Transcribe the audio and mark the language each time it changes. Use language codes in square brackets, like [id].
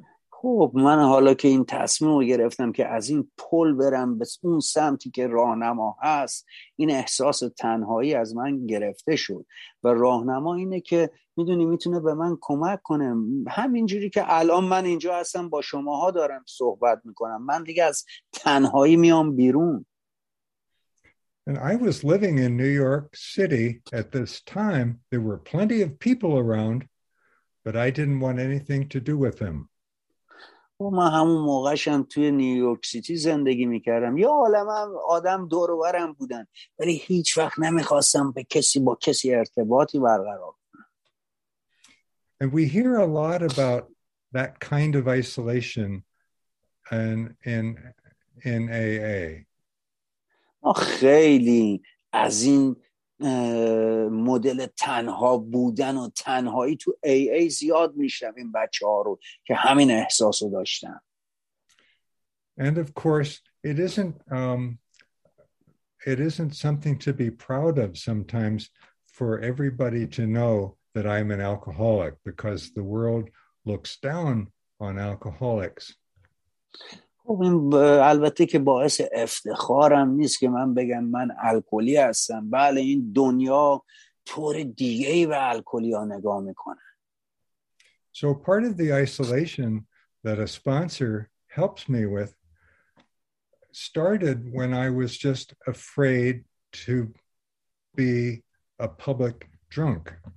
[fa] خب من حالا که این تصمیم رو گرفتم که از این پل برم به اون سمتی که راهنما هست این احساس تنهایی از من گرفته شد و راهنما اینه که میدونی میتونه به من کمک کنه همینجوری که الان من اینجا هستم با شماها دارم صحبت میکنم من دیگه از تنهایی میام بیرون. [en] And I was living in New York City at this time. There were plenty of people around, but I didn't want anything to do with him. [fa] ما همون موقعشم توی نیویورک سیتی زندگی می‌کردم. یه عالمه آدم دور و برم بودن، ولی هیچ وقت نمی‌خواستم به کسی با کسی ارتباطی برقرار کنم. [en] And we hear a lot about that kind of isolation in AA. [fa] خیلی از این مدل تنها بودن و تنهایی تو AA زیاد میشنویم بچه‌ها رو که همین احساسو داشتن. [en] And of course it isn't something to be proud of sometimes for everybody to know that I'm an alcoholic because the world looks down on alcoholics. [fa] البته که باعث افتخارم نیست که من بگم من الکلی هستم. بله این دنیا طور دیگه‌ای به الکلی ها نگاه میکنه. [en] So part of the isolation that a sponsor helps me with started when I was just afraid to be a public drunk.